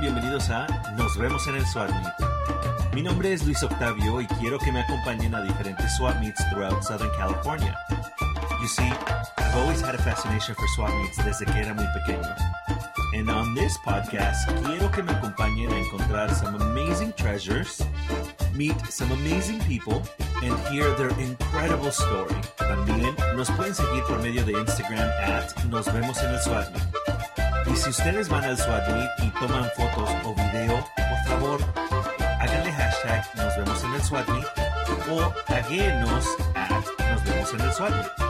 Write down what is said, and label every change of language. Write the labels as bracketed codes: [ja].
[es] Bienvenidos a Nos Vemos en el Swap Meet. Mi nombre es Luis Octavio y quiero que me acompañen a diferentes swap meets throughout Southern California. [en] You see, I've always had a fascination for swap meets desde que era muy pequeño. And on this podcast, quiero que me acompañen a encontrar some amazing treasures, meet some amazing people, and hear their incredible story. [es] También nos pueden seguir por medio de Instagram at Nos Vemos en el Swap Meet. Y si ustedes van al Swap Meet y toman fotos o video, por favor, háganle hashtag Nos Vemos en el Swap Meet o taguéenos at Nos Vemos en el Swap Meet.